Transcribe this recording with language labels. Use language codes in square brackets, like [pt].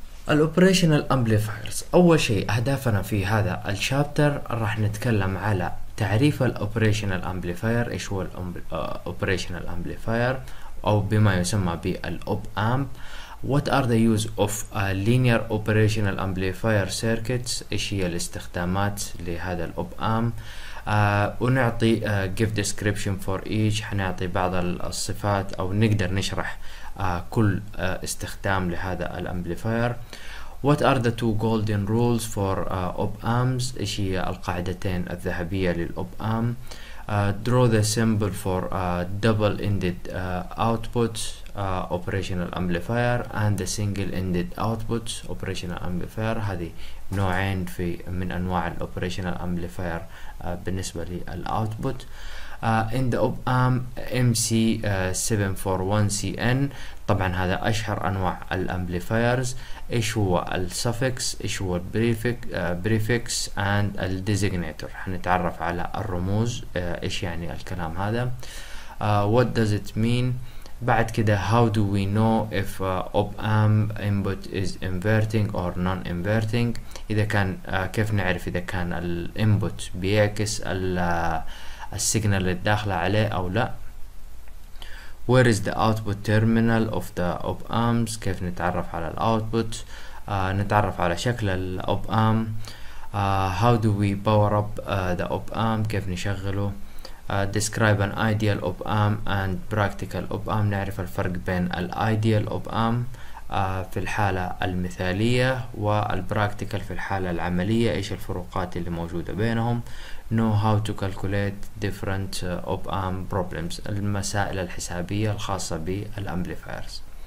[ar] الأوبريشنال أمبليفايرز، أول شيء أهدافنا في هذا الشابتر راح نتكلم على تعريف الأوبريشنال أمبليفاير، إيش هو الأوبريشنال أمبليفاير أو بما يسمى بالأوب أمب، [en] What are the use of linear operational amplifier circuits، [ar] إيش هي الاستخدامات لهذا الأوب أمب، ونعطي [en] give description for each، [ar] حنعطي بعض الصفات أو نقدر نشرح كل استخدام لهذا الامبليفاير. [en] What are the two golden rules for op-amps، [ar] ايش هي القاعدتين الذهبية للop-amp. [en] Draw the symbol for double-ended outputs operational amplifier and the single-ended outputs operational amplifier. [ar] هذه نوعين في من انواع الoperational amplifier بالنسبة للoutput. [en] In the op-amp MC741CN، [ar] طبعا هذا اشهر انواع الامبليفايرز، ايش هو السفكس، ايش هو البريفكس اند الديزيجنيتور، حنتعرف على الرموز ايش يعني الكلام هذا. [en] What does it mean. [ar] بعد كده [en] how do we know if op-amp input is inverting or non-inverting، [ar] اذا كان كيف نعرف اذا كان الانبوت بيعكس السيجنال اللي داخله عليه او لا. [en] Where is the output terminal of the op amps، [ar] كيف نتعرف على الاوتبوت، نتعرف على شكل الاوب ام. [en] How do we power up the op amp، [ar] كيف نشغله. [en] Describe an ideal op amp and practical op amp، [ar] نعرف الفرق بين الايديال op amp في الحالة المثالية والبراكتيكال في الحالة العملية، ايش الفروقات اللي موجودة بينهم. [en] Know how to calculate different op-amp problems، [ar] المسائل الحسابية الخاصة بالامبليفايرز.